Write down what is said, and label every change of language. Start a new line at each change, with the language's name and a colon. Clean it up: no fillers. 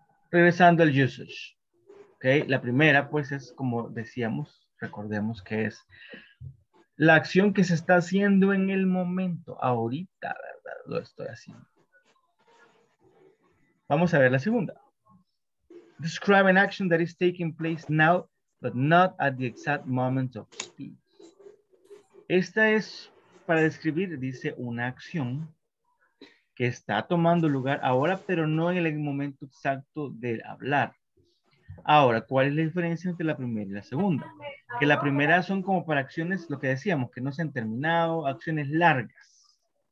Spanish: Regresando al usage. ¿Okay? La primera, pues, es como decíamos, recordemos que es la acción que se está haciendo en el momento, ahorita, ¿verdad? Lo estoy haciendo. Vamos a ver la segunda.
English: Describe an action that is taking place now, but not at the exact moment of speech.
Spanish: Esta es para describir, dice, una acción que está tomando lugar ahora, pero no en el momento exacto de hablar. Ahora, ¿cuál es la diferencia entre la primera y la segunda? Que la primera son como para acciones, lo que decíamos, que no se han terminado, acciones largas.